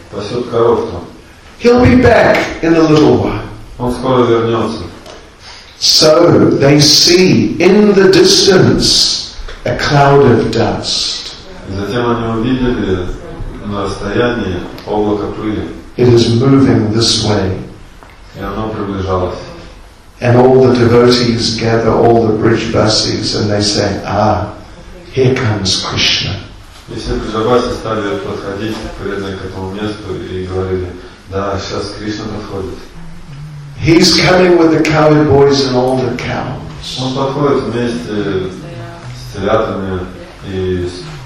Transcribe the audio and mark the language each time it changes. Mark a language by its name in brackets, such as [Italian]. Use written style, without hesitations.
[English] He'll be back in a little while. So they see in the distance a cloud of dust. [Russian] Затем они увидели на расстоянии облако пыли. [English] It is moving this way. [Russian] И оно приближалось. [English] And all the devotees gather all the Brijvasis and they say, ah, here comes Krishna. [Russian] И все Брижбаси стали подходить к этому месту и говорили, да, сейчас Кришна подходит. [English] He's coming with the cowherd boys and all the cows. [Russian] Он подходит вместе с телятами и с